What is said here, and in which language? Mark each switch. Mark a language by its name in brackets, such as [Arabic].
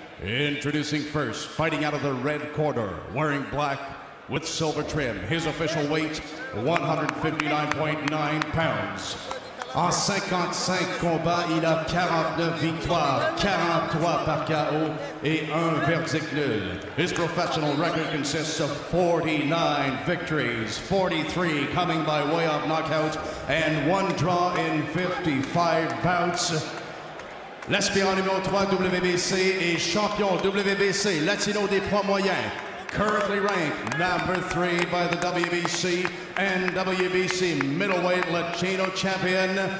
[English] Introducing first, fighting out of the red corner, wearing black with silver trim. His official weight, 159.9 pounds. [French] En 55 combats, il a 49 victoires, 43 par KO et un verdict nul. [English] His professional record consists of 49 victories, 43 coming by way of knockout, and one draw in 55 bouts. [French] L'aspirant numéro 3 WBC et champion WBC Latino des poids moyens. [English] Currently ranked number 3 by the WBC and WBC middleweight Latino champion.